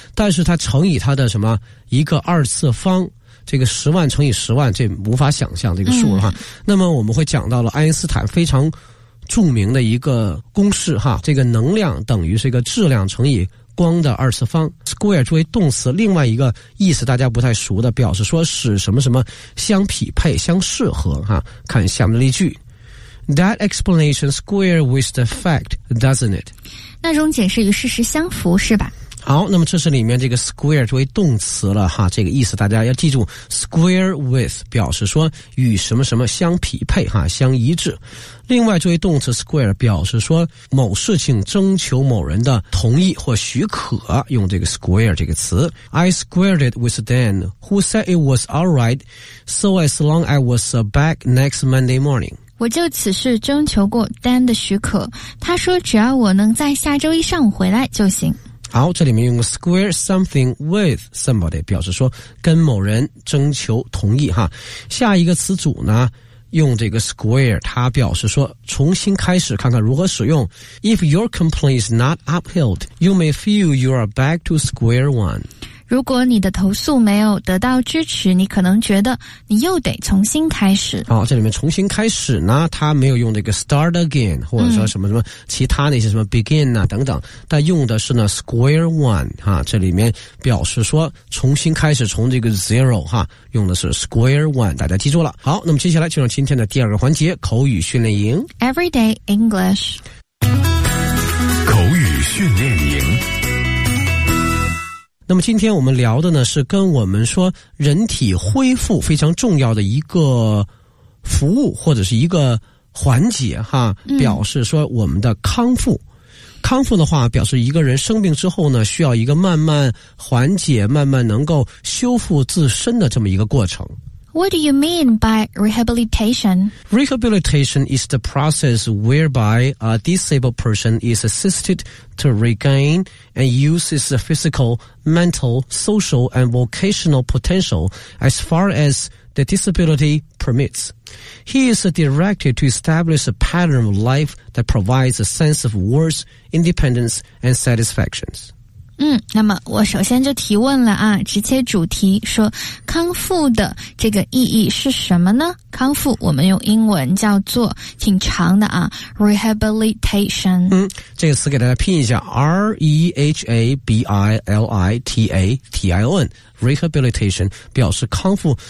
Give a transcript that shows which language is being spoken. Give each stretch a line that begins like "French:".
Chinese: 但是它乘以它的什么一个二次方。这个十万乘以十万，这无法想象这个数了哈。那么我们会讲到了爱因斯坦非常著名的一个公式哈，这个能量等于是一个质量乘以光的二次方。 square 作为动词，另外一个意思大家不太熟的，表示说是什么什么相匹配相适合哈。看下面的例句，
English: That explanation square with the fact, doesn't it?
Chinese: 那种解释与事实相符是吧。好，那么这是里面这个 square 作为动词了哈，这个意思大家要记住，
English: square with
Chinese: 表示说与什么什么相匹配哈，相一致。另外作为动词 square 表示说某事情征求某人的同意或许可，用这个 square 这个词。
English: I squared it with Dan who said it was alright so as long I was back next Monday morning。
Chinese: 我就此事征求过 Dan 的许可，他说只要我能在下周一上午回来就行。好，这里面用
English: square something with somebody
Chinese: 表示说跟某人征求同意哈。下一个词组呢，用这个 square 它表示说重新开始，看看如何使用。
English: If your complaint is not upheld, you may feel you are back to square one。
Chinese: 如果你的投诉没有得到支持，你可能觉得你又得重新开始。好，这里面重新开始呢，它没有用这个
English: start again
Chinese: 或者说什么什么其他那些什么 begin 啊等等，但用的是呢
English: square one
Chinese: 哈，这里面表示说重新开始，从这个 zero 哈，用的是 square one， 大家记住了。好，那么接下来进入今天的第二个环节，口语训练营
English: Everyday English。
Chinese: 口语训练营，那么今天我们聊的呢是跟我们说人体恢复非常重要的一个服务或者是一个环节哈，表示说我们的康复。康复的话表示一个人生病之后呢需要一个慢慢缓解，慢慢能够修复自身的这么一个过程。
English: What do you mean by rehabilitation? Rehabilitation is the process whereby a disabled person is assisted to regain and use his physical, mental, social, and vocational potential as far as the disability permits. He is directed to establish a pattern of life that provides a sense of worth, independence, and satisfaction.
Chinese: 那么我首先就提问了啊，直接主题说康复的这个意义是什么呢？康复我们用英文叫做挺长的啊 ,rehabilitation。这个词给大家拼一下 ,rehabilitation, 表示康复。